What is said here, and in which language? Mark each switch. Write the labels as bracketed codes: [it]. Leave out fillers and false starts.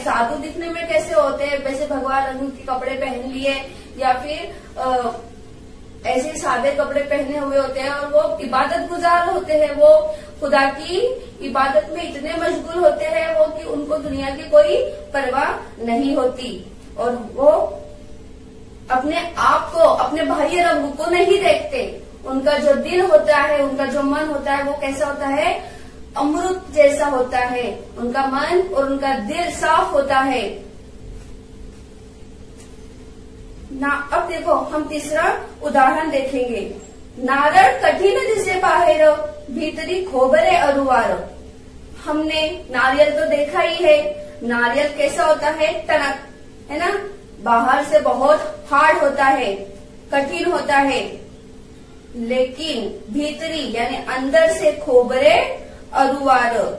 [hi] साधु दिखने में कैसे होते हैं, वैसे भगवान रंग के कपड़े पहन लिए या फिर ऐसे सादे कपड़े पहने हुए होते हैं और वो इबादत गुजार होते हैं, वो खुदा की इबादत में इतने मशगूल होते हैं वो कि उनको दुनिया की कोई परवाह नहीं होती और वो अपने आप को अपने बाह्य रंग को नहीं देखते. उनका जो दिल होता है, उनका जो मन होता है वो कैसा होता है, अमृत जैसा होता है. उनका मन और उनका दिल साफ होता है ना. अब देखो हम तीसरा उदाहरण देखेंगे. [mr] नारळ कठीण दिसे बाहेर भीतरी खोबरे अरुवार. [hi] हमने नारियल तो देखा ही है, नारियल कैसा होता है, तनक है ना, बाहर से बहुत हार्ड होता है, कठिन होता है, लेकिन भीतरी यानी अंदर से खोबरे अरुवार,